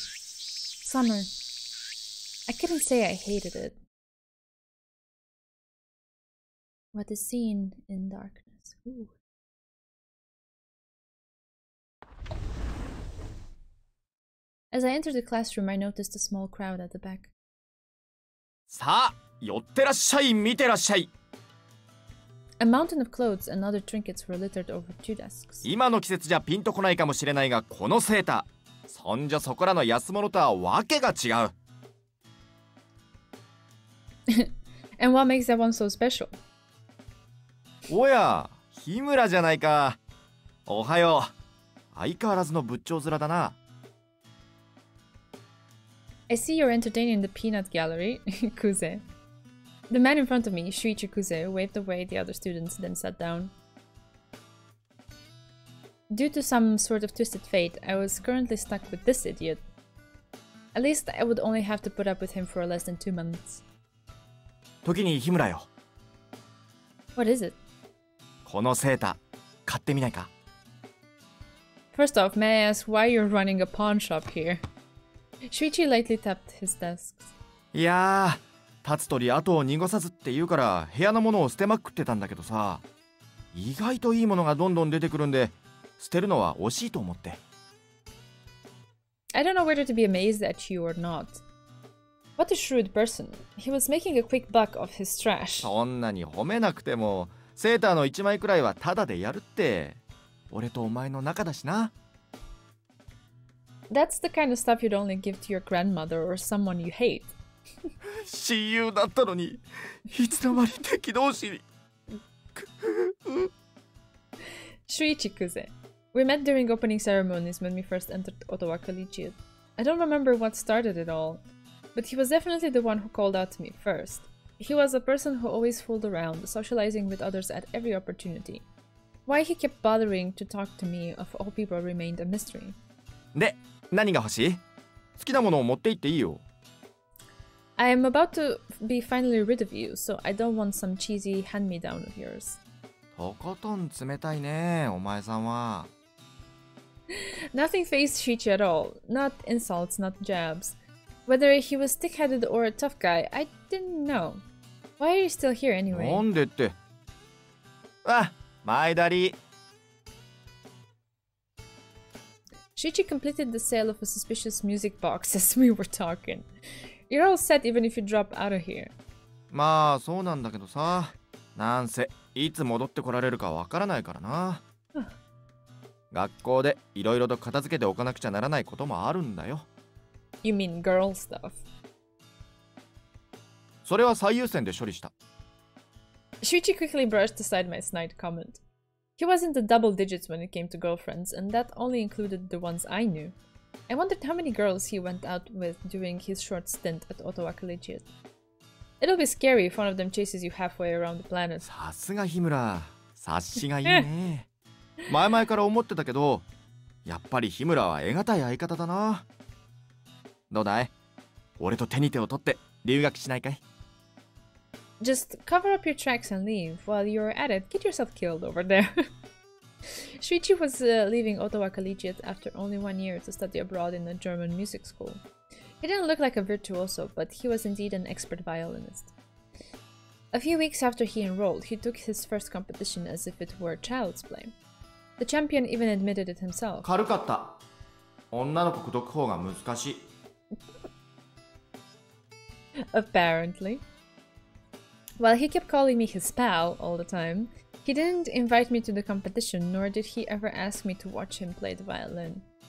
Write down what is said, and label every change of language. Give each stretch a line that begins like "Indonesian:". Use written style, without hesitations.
English: Summer. I couldn't say I hated it. What is seen in darkness? Ooh. As I entered the classroom, I noticed a small crowd at the back.
Japanese: さあ、寄ってらっしゃい、見てらっしゃい。
English: A mountain of clothes and other trinkets were littered over two desks.
Japanese: 今の季節じゃピンとこないかもしれないが、このセーター、そんじゃそこらの安物とはわけが違う。
English: And what makes that one so special?
Japanese: おや、日村じゃないか。おはよう。相変わらずの仏頂面だな。
English: I see you're entertaining the peanut gallery, Kuze. The man in front of me, Shuichi Kuze, waved away the other students, then sat down. Due to some sort of twisted fate, I was currently stuck with this idiot. At least I would only have to put up with him for less than 2 months.
Japanese: 時に日村よ。
English: What is it?
Japanese: このセーター、買ってみないか?
English: First off, may I ask why you're running a pawn shop here? Shuichi lightly tapped his desk.
Japanese: いやー。立つ鳥後を濁さずって言うから部屋のものを捨てまくってたんだけどさ意外といいものがどんどん出てくるんで捨てるのは惜しいと思って
English: I don't know whether to be amazed at you or not. What a shrewd person. He was making a quick buck off his trash.
Japanese: そんなに褒めなくてもセーターの1枚くらいはタダでやるって俺とお前の仲だしな
English: That's the kind of stuff you'd only give to your grandmother or someone you hate.
Japanese: 親友だったのにいつの間に敵同士に
English: Shuichi Kuze We met during opening ceremonies when we first entered Ottawa Collegiate I don't remember what started it all But he was definitely the one who called out to me first He was a person who always fooled around socializing with others at every opportunity Why he kept bothering to talk to me of all people remained a mystery
Japanese: で、何が欲しい好きなものを持って行っていいよ
English: I am about to be finally rid of you, so I don't want some cheesy hand-me-down of yours.
Japanese: とことん冷たいね、お前さんは。
English: Nothing fazed Shichi at all. Not insults, not jabs. Whether he was thick-headed or a tough guy, I didn't know. Why are you still here anyway?
Japanese: なんでって。あ、前だり。
English: Shichi completed the sale of a suspicious music box as we were talking. You're all set even if you drop out of here.
Japanese: まあそうなんだけどさ。なんせいつ戻ってこられるかわからないからな。学校でいろいろと片付けておかなくちゃならないこともあるんだよ。
English: You mean girl stuff?
Japanese: それは最優先で処理した。
English: Shuichi quickly brushed aside my snide comment. He was in the double digits when it came to girlfriends, and that only included the ones I knew. I wondered how many girls he went out with during his short stint at Ottawa Collegiate. It'll be scary if one of them chases you halfway around the planet.
Japanese: さすが日村、察しがいいね。前々から思ってたけど、やっぱり日村は得難い相方だな。どうだい？俺と手に手を取って留学しないかい？
English: Just cover up your tracks and leave. While you're at it, get yourself killed over there. Shuichi was leaving Ottawa Collegiate after only 1 year to study abroad in a German music school. He didn't look like a virtuoso, but he was indeed an expert violinist. A few weeks after he enrolled, he took his first competition as if it were child's play. The champion even admitted it himself.
Japanese: 軽かった。女の子口説く方が難しい。
English: Apparently. While he kept calling me his pal all the time,He didn't invite me to the competition, nor did he ever ask me to watch him play the violin.